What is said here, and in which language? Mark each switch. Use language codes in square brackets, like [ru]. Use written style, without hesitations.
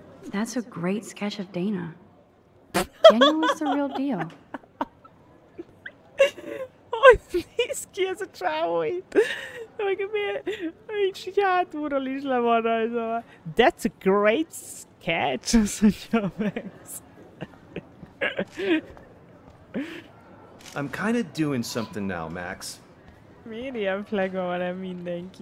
[en] That's a great sketch of Dana. Daniel is the real deal. [hu] Hogy néz ki ez a csávó itt? Meg miért? Így hátulról is le van rajzolva. [en] That's a great sketch, [hu] azt mondja [en] Max. I'm kind of doing something now, Max. [hu] Miért ilyen flega van el mindenki?